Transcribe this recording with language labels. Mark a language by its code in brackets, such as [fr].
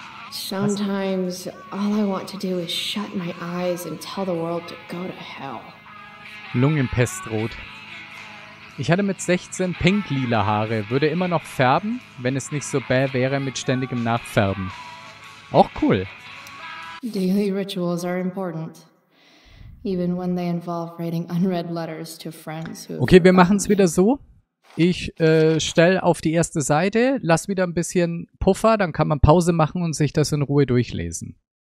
[en] Sometimes all I want to do is shut my eyes and tell the world to go to hell. [de] Lungenpestrot. Ich hatte mit 16 pink-lila Haare, würde immer noch färben, wenn es nicht so bäh wäre mit ständigem Nachfärben. Auch cool. [en] Daily rituals are important. Even when they involve writing unread letters to friends who... [de] Okay, wir machen es wieder so. Ich stell auf die erste Seite, lass wieder ein bisschen Puffer, dann kann man Pause machen und sich das in Ruhe durchlesen.